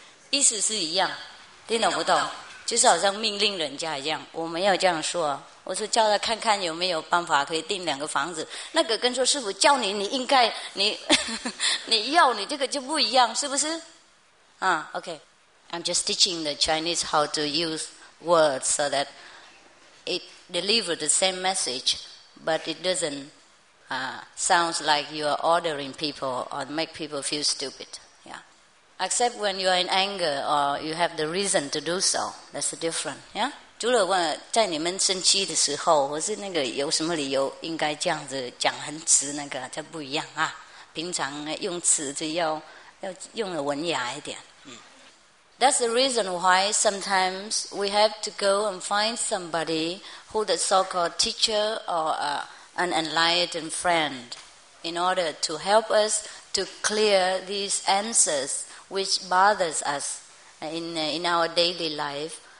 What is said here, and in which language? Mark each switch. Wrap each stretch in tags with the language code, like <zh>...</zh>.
<zh>意思是一样，听懂不懂？就是好像命令人家一样，我没有这样说。我说叫他看看有没有办法可以订两个房子。那个跟说师傅叫你，你应该，你要你这个就不一样，是不是？</zh> <en>Okay. I'm just teaching the Chinese how to use words so that it delivers the same message, but it doesn't sound like you are ordering people or make people feel stupid. Yeah. Except when you are in anger or you have the reason to do so. That's the difference. Yeah.</en> <zh>除了我在你们生气的时候，或是那个有什么理由应该这样子讲很直，那个就不一样啊。平常用词就要用的文雅一点。</zh> <en>That's the reason why sometimes we have to go and find somebody who the so-called teacher or an enlightened friend in order to help us to clear these answers which bothers us in our daily life.</en>